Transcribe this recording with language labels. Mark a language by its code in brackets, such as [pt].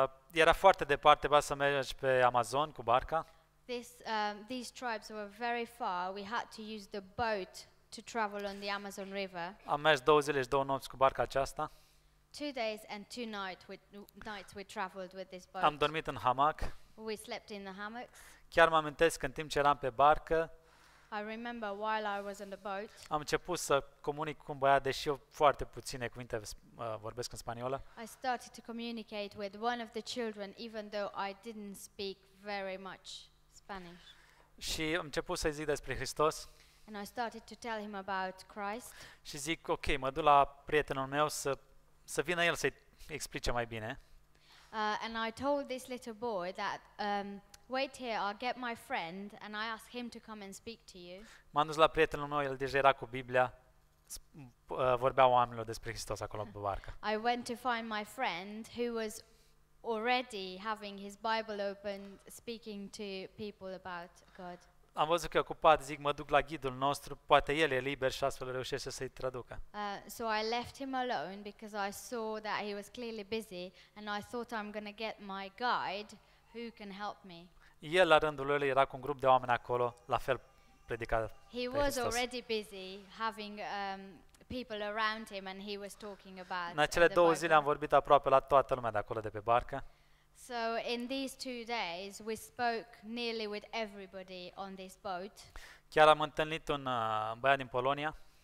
[ro] Era foarte departe, trebuia să mergi pe Amazon cu barca. [en] These tribes were very far. We had to use the boat to travel on the Amazon River. [ro] Am mers 2 zile și 2 nopți cu barca aceasta. [en] 2 days and 2 nights we traveled with this boat. [ro] Am dormit în hamac. [en] We slept in the hammocks. [ro] Chiar mă amintesc că în timp ce eram pe barcă, [en] I remember while I was on the boat. [ro] Am început să comunic cu un băiat, deși eu foarte puține cuvinte vorbesc în spaniolă. [en] I started to communicate with one of the children even though I didn't speak very much. [ro] Și am început să-i zic despre Hristos. [en] And I started to tell him about Christ. [ro] Și zic, ok, mă duc la prietenul meu să vină el să-i explice mai bine. [en] And I told this little boy that wait here, I'll get my friend and I ask him to come and speak to you. [ro] M-am dus la prietenul meu, el deja era cu Biblia, vorbea oamenilor despre Hristos acolo pe barcă. [en] I went to find my friend who was already having his Bible open, speaking to people about God. [ro] Am văzut că e ocupat, zic, mă duc la ghidul nostru, poate el e liber și astfel reușește să-i traducă. [en] So I left him alone because I saw that he was clearly busy and I thought I'm going to get my guide who can help me. [ro] El la rândul lui era cu un grup de oameni acolo, la fel predicat. [en] He was already busy having people around him and he was talking about. [ro] În cele două zile am vorbit aproape la toată lumea de acolo de pe barcă. [en] So in these two days we spoke nearly with everybody on this boat. [ro] Chiar am întâlnit un băiat din Polonia.